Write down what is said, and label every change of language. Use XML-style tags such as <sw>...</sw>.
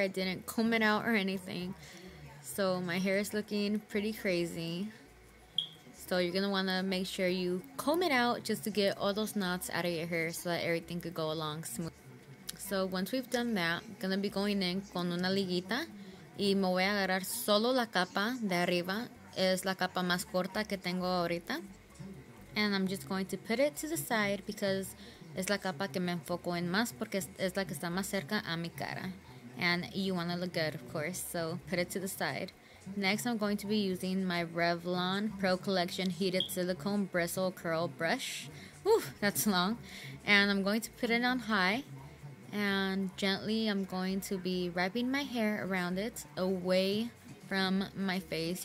<en>I didn't comb it out or anything. So my hair is looking pretty crazy. So you're going to want to make sure you comb it out just to get all those knots out of your hair so that everything could go along smooth. So once we've done that, I'm going to be going in</en> <es>con una liguita. Y me voy a agarrar solo la capa de arriba. Es la capa más corta que tengo ahorita.</es> <en>And I'm just going to put it to the side because</en> <es>es la capa que me enfoco en más porque es la que está más cerca a mi cara.</es> <en>And you want to look good, of course, so put it to the side. Next, I'm going to be using my Revlon Pro Collection Heated Silicone Bristle Curl Brush. Whew, that's long. And I'm going to put it on high. And gently, I'm going to be wrapping my hair around it away from my face.</en>